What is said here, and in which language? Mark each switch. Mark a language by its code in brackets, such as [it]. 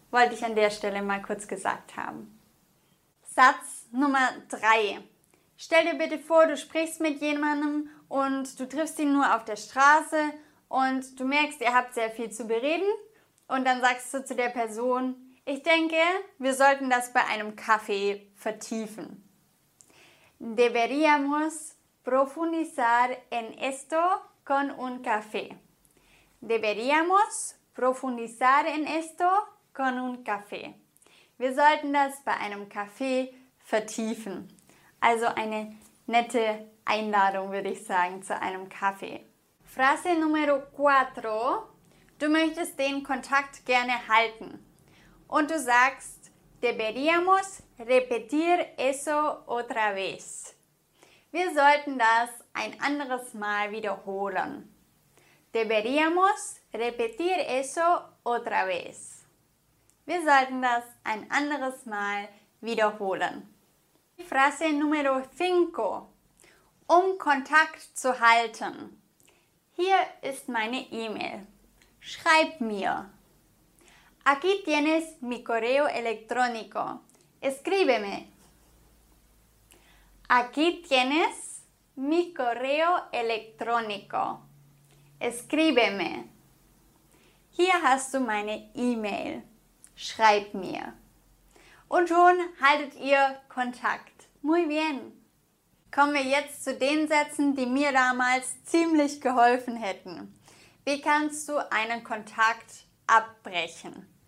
[de] Wollte ich an der Stelle mal kurz gesagt haben. Satz Nummer 3. Stell dir bitte vor, du sprichst mit jemandem und du triffst ihn nur auf der Straße und du merkst, ihr habt sehr viel zu bereden und dann sagst du zu der Person, ich denke, wir sollten das bei einem Kaffee vertiefen. [es] Deberíamos profundizar en esto con un café. Deberíamos profundizar en esto con un café. [de] Wir sollten das bei einem Café vertiefen. Also eine nette Einladung, würde ich sagen, zu einem Café. [es] Frase número 4. [de] Du möchtest den Kontakt gerne halten. Und du sagst, [es] deberíamos repetir eso otra vez. [de] Wir sollten das ein anderes Mal wiederholen. [es] Deberíamos repetir eso otra vez. [de] Wir sollten das ein anderes Mal wiederholen. [es] Frase número 5. [de] Um Kontakt zu halten. Hier ist meine E-Mail. Schreib mir. [es] Aquí tienes mi correo electrónico. Escríbeme. Aquí tienes mi correo electrónico. Escríbeme. [de] Hier hast du meine E-Mail. Schreib mir. Und schon haltet ihr Kontakt. [es] Muy bien. [de] Kommen wir jetzt zu den Sätzen, die mir damals ziemlich geholfen hätten. Wie kannst du einen Kontakt abbrechen?